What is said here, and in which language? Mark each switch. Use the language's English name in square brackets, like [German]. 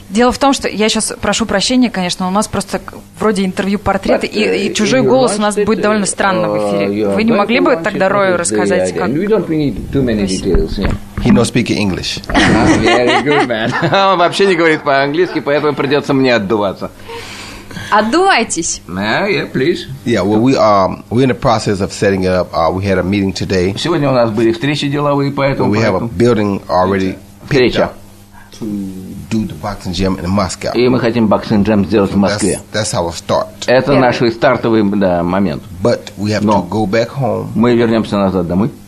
[Russian] Дело в том, что я сейчас прошу прощения, конечно, у нас просто вроде интервью-портреты, и чужой голос у нас будет довольно странно в эфире. Вы не могли бы тогда Рою рассказать, как... [English] We don't need too many details, yeah. He no speak English. Very good, man. [Russian] Он вообще не говорит по-английски, поэтому придется мне отдуваться. Отдувайтесь. [English] Yeah, yeah, please. Yeah, well, we're in the process of setting up. We had a meeting today. [Russian] Сегодня у нас были встречи деловые, поэтому... [English] We have a building already [Russian] встреча. [English] To do the boxing gym in Moscow. [Russian] И мы хотим [English] boxing gym [Russian] сделать в Москве. [English] That's our start. [Russian] Это наш стартовый момент. [English] But we have to go back home. [Russian] Мы вернемся назад домой.